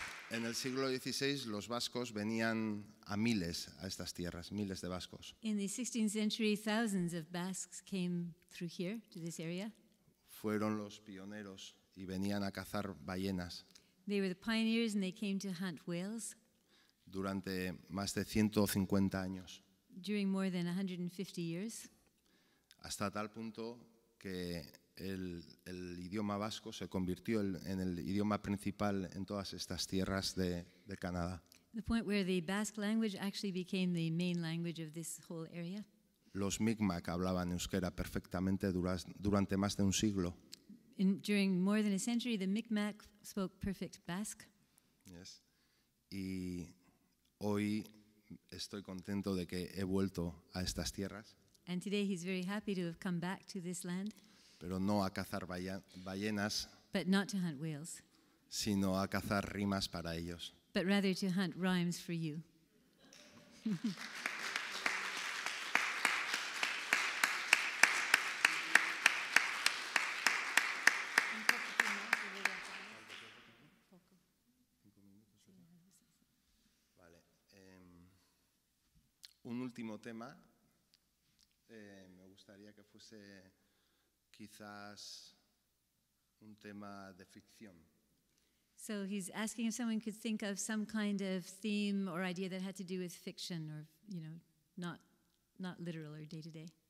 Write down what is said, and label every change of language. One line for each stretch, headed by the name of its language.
Spanish: En el siglo XVI los vascos venían a miles a estas tierras, miles de vascos.
English: In the 16th century thousands of Basques came through here to this area.
Spanish: Fueron los pioneros y venían a cazar ballenas.
English: They were the pioneers and they came to hunt whales.
Spanish: Durante más de 150 años.
English: During more than 150 years.
Spanish: Hasta tal punto que el idioma vasco se convirtió en el idioma principal en todas estas tierras de Canadá.
English: The point where the Basque language actually became the main language of this whole area.
Spanish: Los Mi'kmaq hablaban euskera perfectamente durante más de un siglo.
English: During more than a century, the Mi'kmaq spoke perfect Basque. Yes.
Spanish: Y hoy estoy contento de que he vuelto a estas tierras.
English: And today he's very happy to have come back to this land.
Spanish: Pero no a cazar ballenas,
English: but not to hunt whales,
Spanish: sino a cazar rimas para ellos.
English: But rather to hunt rhymes for you.
Spanish: Vale. Un último tema. Me gustaría que fuese quizás un tema de ficción.
English: So he's asking if someone could think of some kind of theme or idea that had to do with fiction or, you know, not literal or day to day.